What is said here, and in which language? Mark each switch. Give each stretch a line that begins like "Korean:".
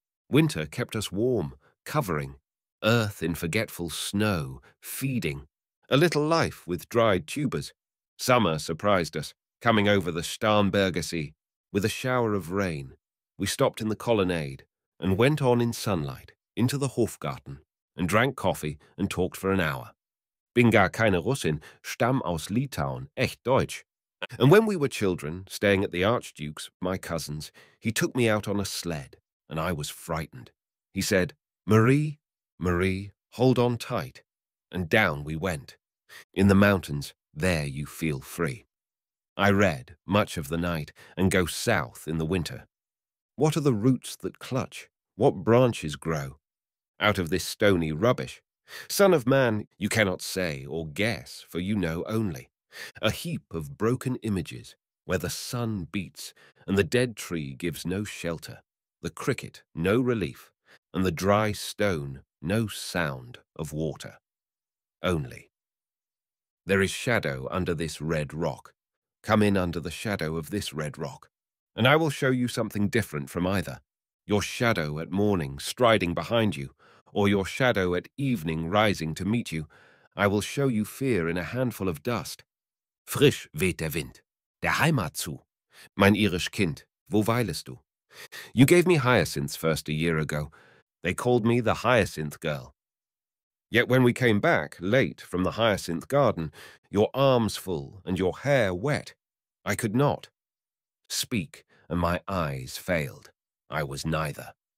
English: Winter kept us warm, covering. Earth in forgetful snow, feeding. A little life with dried tubers. Summer surprised us, coming over the Starnberger See with a shower of rain. We stopped in the colonnade and went on in sunlight into the Hofgarten and drank coffee and talked for an hour.
German: Bin gar keine Russin, stamm aus Litauen, echt Deutsch.
English: And when we were children, staying at the Archduke's, my cousin's, he took me out on a sled, and I was frightened. He said, Marie, Marie, hold on tight. And down we went. In the mountains, there you feel free. I read much of the night and go south in the winter. What are the roots that clutch? What branches grow? Out of this stony rubbish. Son of man, you cannot say or guess, for you know only. A heap of broken images, where the sun beats, and the dead tree gives no shelter, the cricket no relief, and the dry stone no sound of water. Only. There is shadow under this red rock. Come in under the shadow of this red rock, and I will show you something different from either. Your shadow at morning striding behind you, or your shadow at evening rising to meet you, I will show you fear in a handful of dust.
German: Frisch weht der Wind, der Heimat zu. Mein irisch Kind, wo weilest du?
English: You gave me hyacinths first a year ago. They called me the hyacinth girl. Yet when we came back, late, from the hyacinth garden, your arms full and your hair wet, I could not. Speak, and my eyes failed. I was neither.